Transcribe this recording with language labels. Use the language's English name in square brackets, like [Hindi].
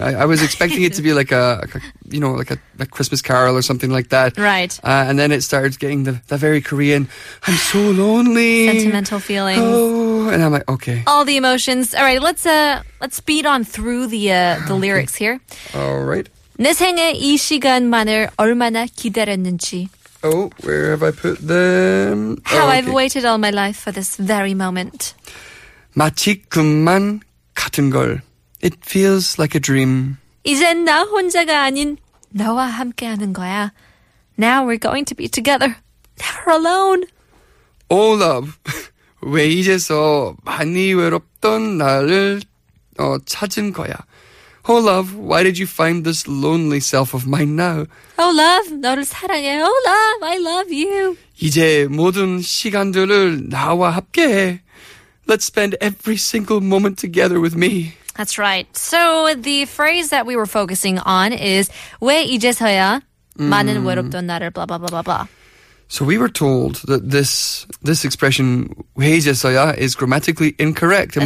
[English] I was expecting it to be like a Christmas carol or something like that. Right. And then it started getting the very Korean, I'm so lonely. Sentimental feelings. Oh, and I'm like, okay. All the emotions. All right, let's speed on through the lyrics here. All right. [Korean] 내 생에 이 시간만을 얼마나 기다렸는지. [English] Oh, where have I put them? I've waited all my life for this very moment. [Korean] 마치 꿈만 같은 걸. [English] It feels like a dream. [Korean] 이젠 나 혼자가 아닌 너와 함께하는 거야. [English] Now we're going to be together. Never alone. Oh, love. [Korean] 왜 이제서 많이 외롭던 나를 찾은 거야. [English] Oh, love. Why did you find this lonely self of mine now? Oh, love. [Korean] 너를 사랑해. [English] Oh, love. I love you. [Korean] 이제 모든 시간들을 나와 함께해. [English] Let's spend every single moment together with me. That's right. So the phrase that we were focusing on is [Korean] 왜 이제서야 많은 외롭던 나를 [English] blah blah blah blah blah. So we were told that this expression [Korean] 왜 이제서야 [English] is grammatically incorrect, and